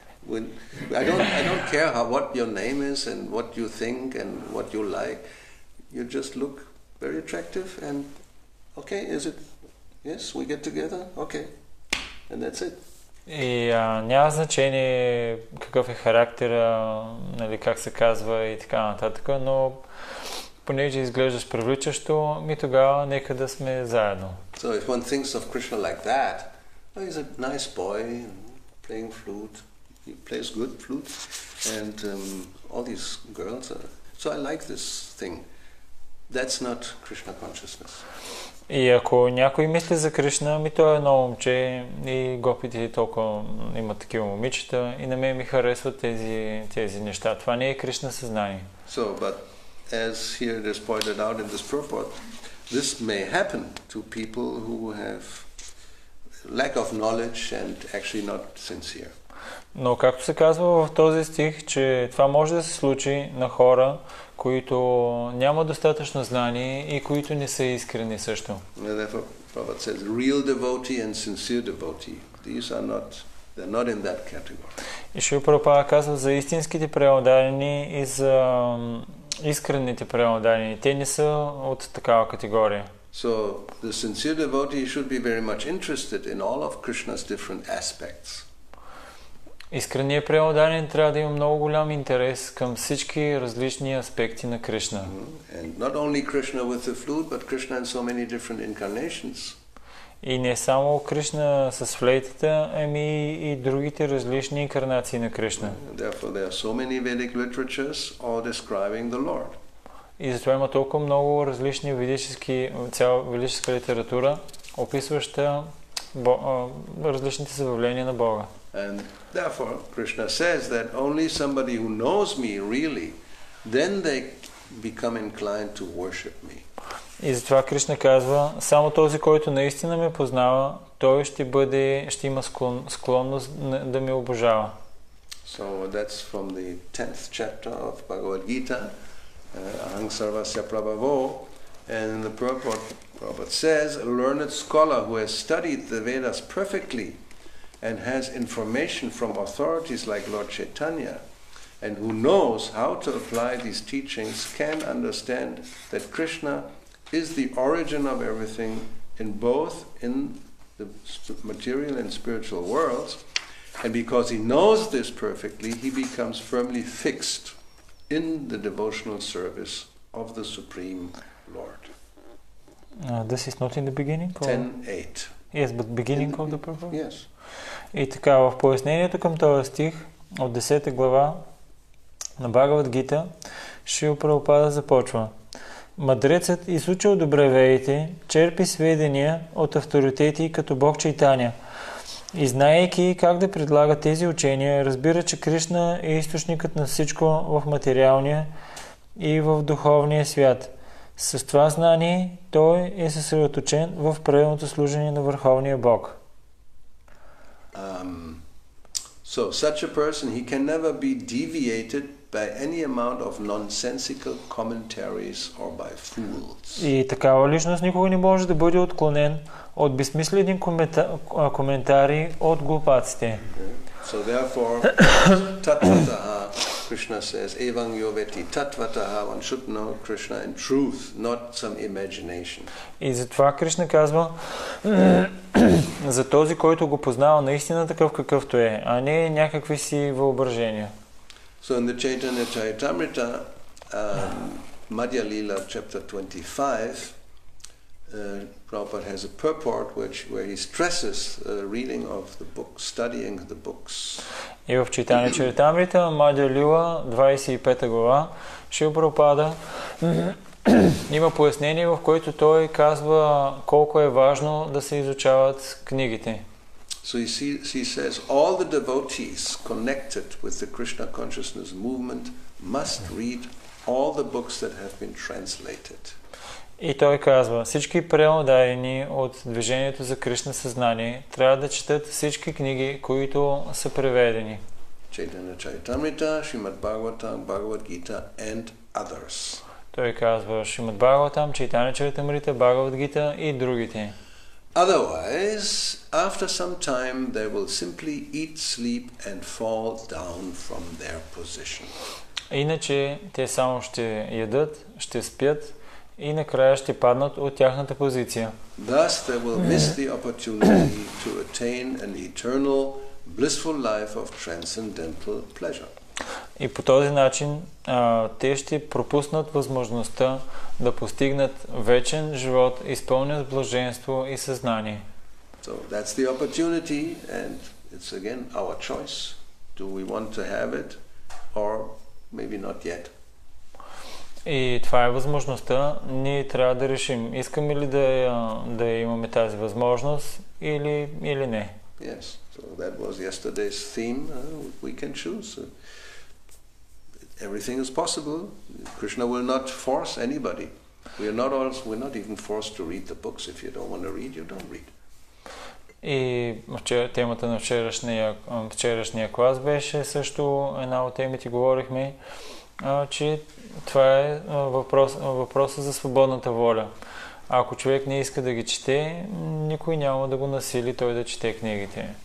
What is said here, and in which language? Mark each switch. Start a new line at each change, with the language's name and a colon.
English: When, I don't care how, what your name is and what you think and what you like. You just look very attractive and okay, is it? Yes, we get together, okay, and that's it.
Bulgarian: И няма значение какъв е характера, нали, как се казва и така нататък, но понеже изглеждаш привличащо, ми тогава нека да сме заедно.
English: So if one thinks of Krishna like that, oh, he's a nice boy, playing flute, he plays good flute, and all these girls are... So I like this thing. That's not Krishna consciousness.
Bulgarian: И ако някой мисли за Кришна, ми той е едно момче и гопите толкова имат такива момичета и на мен ми харесват тези неща. Това не е Кришна съзнание.
English: So, but as here it is pointed out in this purport, this may happen to people who have lack of knowledge and actually not sincere.
Bulgarian: Но както се казва в този стих, че това може да се случи на хора, които няма достатъчно знание и които не са искрени също.
English: And therefore, Prabhupada says, real devotee and sincere devotee, these are not, they're not in that category.
Bulgarian: И Шрила Прабхупада казва за истинските преводани и за искрените преводани. Те не са от такава категория.
English: So the sincere devotee should be very much interested in all of Krishna's different aspects.
Bulgarian: Искреният преводанин трябва да има много голям интерес към всички различни аспекти на Кришна.
English: And not only Krishna with the flute, but Krishna in so many different incarnations.
Bulgarian: И не само Кришна с флейтата, ами и другите различни инкарнации на Кришна.
English: Therefore there are so many Vedic literatures all describing the Lord.
Bulgarian: И затова има толкова много различни ведически, цяла ведическа литература, описваща различните съявления на Бога.
English: And therefore Krishna says that only somebody who knows me really, then they become inclined to worship me.
Bulgarian: И затова Кришна казва, само този, който наистина ме познава, той ще има склонност да ме обожава.
English: So that's from the 10th chapter of Bhagavad Gita,
Sanskrit: Ahang Sarvasya Prabhavo,
English: and in the purport, Prabhupada says, a learned scholar who has studied the Vedas perfectly and has information from authorities like Lord Chaitanya and who knows how to apply these teachings can understand that Krishna is the origin of everything in both in the material and spiritual worlds, and because he knows this perfectly, he becomes firmly fixed in the devotional service of the Supreme Lord. This is not in the beginning? 10.8. Yes, but beginning of the Prabhupada? Yes.
Bulgarian: И така, в пояснението към този стих от 10 глава на Бхагават Гита, Шрила Прабхупада започва. Мъдрецът, изучил добре ведите, черпи сведения от авторитети като Бог Чайтаня. И знаейки как да предлага тези учения, разбира, че Кришна е източникът на всичко в материалния и в духовния свят. С това знание той е съсредоточен в правилното служение на Върховния Бог.
English: So such a person, he can never be deviated by any amount of nonsensical commentaries or by fools.
Bulgarian: И такава личност никога не може да бъде отклонен от безсмислени коментари от глупаците. Okay.
English: So therefore, tattvataha, Krishna says,
Sanskrit: evang yoveti tattvataha,
English: one should know Krishna in truth, not some imagination.
Bulgarian: И затова Кришна казва, за този, който го познава наистина такъв какъвто е, а не някакви си въображения.
English: So in the Chaitanya Charitamrita, Madhya Lila, chapter 25, Prabhupada has a purport where he stresses reading of the books, studying the books.
Bulgarian: И в Chaitanya Charitamrita, Madhya Lila, 25 глава, Шрила Прабхупада има пояснение, в което той казва колко е важно да се изучават книгите.
English: So he says all the devotees connected with the Krishna consciousness movement must read all the books that have been translated.
Bulgarian: И той казва, всички преводачи от движението за Кришна съзнание трябва да четат всички книги, които са преведени.
English: Chaitanya Charitamrita, Shrimad Bhagavatam, Bhagavad Gita and others.
Bulgarian: Той казва, Shrimad Bhagavatam, Chaitanya Charitamrita, Bhagavad Gita и другите.
English: Otherwise, after some time, they will simply eat, sleep, and fall down from their position.
Bulgarian: Иначе те само ще ядат, ще спят и накрая ще паднат от тяхната позиция.
English: Thus, they will miss the opportunity to attain an eternal, blissful life of transcendental pleasure.
Bulgarian: И по този начин те ще пропуснат възможността да постигнат вечен живот, изпълнен с блаженство и съзнание.
English: So that's the opportunity and it's again our choice. Do we want to have it or maybe not yet?
Bulgarian: И това е възможността. Ние трябва да решим, искаме ли да имаме тази възможност или не.
English: Yes, so that was yesterday's theme. We can choose. Everything is possible. Krishna will not force anybody. We're not even forced to read the books. If you don't want to read, you don't read.
Bulgarian: И темата на вчерашния клас беше също една от темите, говорихме, че това е въпросът за свободната воля. Ако човек не иска да ги чете, никой няма да го насили той да чете книгите.